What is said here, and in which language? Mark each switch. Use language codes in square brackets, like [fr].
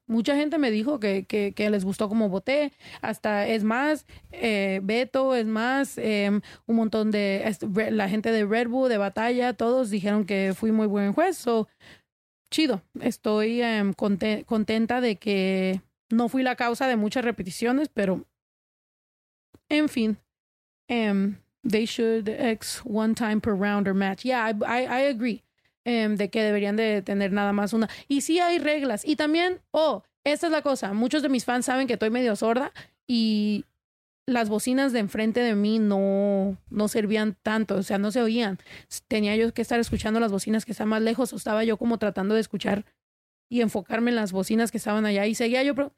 [es] Mucha gente me dijo que les gustó como voté. Hasta, es más, Beto, es más, un montón de la gente de Red Bull, de Batalla, todos dijeron que fui muy buen juez. So, chido. Estoy contenta de que no fui la causa de muchas repeticiones, pero, en fin. [en] They should X one time per round or match. Yeah, I agree. [es] De que deberían de tener nada más una. Y sí hay reglas. Y también, esta es la cosa. Muchos de mis fans saben que estoy medio sorda y las bocinas de enfrente de mí no servían tanto. O sea, no se oían. Tenía yo que estar escuchando las bocinas que están más lejos. O estaba yo como tratando de escuchar y enfocarme en las bocinas que estaban allá. Y seguía yo.